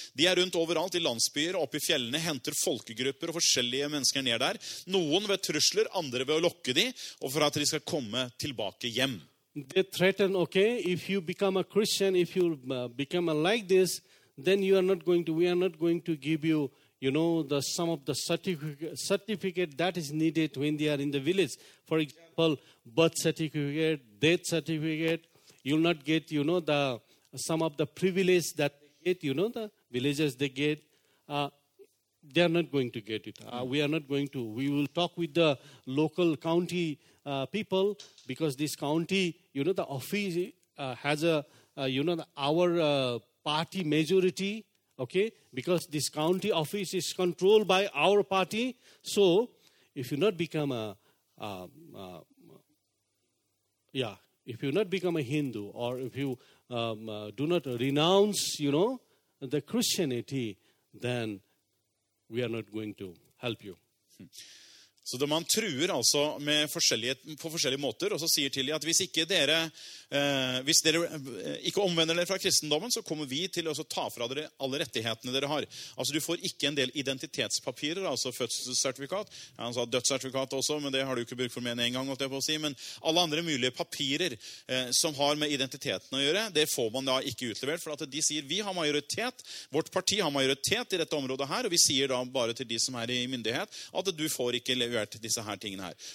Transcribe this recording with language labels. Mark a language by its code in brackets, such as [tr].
[no] De rundt overalt I landsbyer og opp I fjellene, henter folkegrupper og forskjellige mennesker ned der. Noen ved trusler, andre ved å lokke dem og for at de skal komme tilbake hjem. [en] They threaten, okay, if you become a Christian, if you become like this, then you are not going to, we are not going to give you you know the some of the certificate that is needed when they are in the village for example birth certificate death certificate you'll not get you know the some of the privilege that they get you know the villagers they get they are not going to get it we are not going to we will talk with the local county people because this county you know the office has a you know our party majority Okay, because this county office is controlled by our party. So, if you not become a Hindu, or if you do not renounce, you know, the Christianity, then we are not going to help you. [no] Så det man truer altså med forskjellige måter, og så sier til dem at hvis dere ikke omvender dere fra kristendommen, så kommer vi til å ta fra dere alle rettighetene dere har. Altså du får ikke en del identitetspapirer, altså fødselssertifikat, han sa dødssertifikat også, men det har du ikke brukt for mer enn en gang, måtte jeg på å si, men alle andre mulige papirer som har med identiteten å gjøre, det får man da ikke utlevert, for at de sier vi har majoritet, vårt parti har majoritet I dette området her, og vi sier da bare til de som I myndighet at du får ikke levert disse her tingene her.